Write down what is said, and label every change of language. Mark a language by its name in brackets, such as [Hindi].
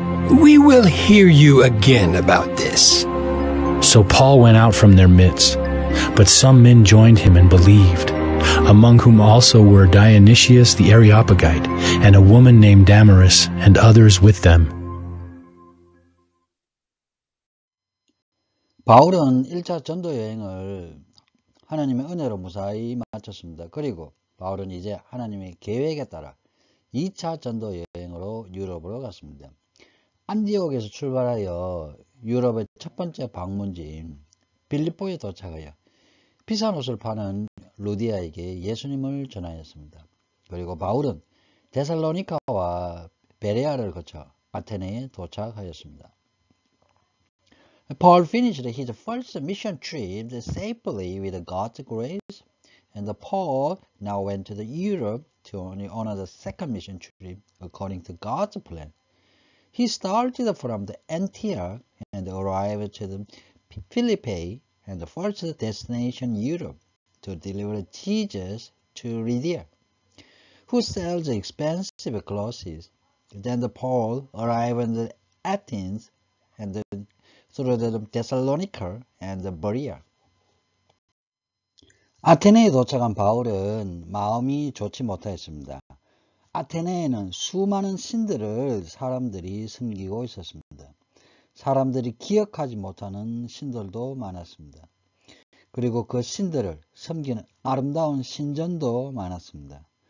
[English] "We will hear you again about this." So Paul went out from their midst, but some men joined him and believed, among whom also were Dionysius the Areopagite, and a woman named Damaris, and others with them. [Korean] 바울은 1차 전도 여행을 하나님의 은혜로 무사히 마쳤습니다. 그리고 바울은 이제 하나님의 계획에 따라 2차 전도 여행으로 유럽으로 갔습니다. 안디옥에서 출발하여 유럽의 첫 번째 방문지인 빌립보에 도착하여 비싼 옷을 파는 루디아에게 예수님을 전하였습니다. 그리고 바울은 데살로니카와 베레아를 거쳐 아테네에 도착하였습니다. [English] Paul finished his first mission trip safely with God's grace, and Paul now went to Europe to honor the second mission trip according to God's plan. He started from the Antioch and arrived to the Philippi and the first destination Europe to deliver Jesus to Lydia, who sells expensive clothes. Then Paul arrived in Athens and through the Thessalonica and the Berea. [Korean] 아테네에 도착한 바울은 마음이 좋지 못하였습니다. 아테네에는 수많은 신들을 사람들이 섬기고 있었습니다. 사람들이 기억하지 못하는 신들도 많았습니다. 그리고 그 신들을 섬기는 아름다운 신전도 많았습니다.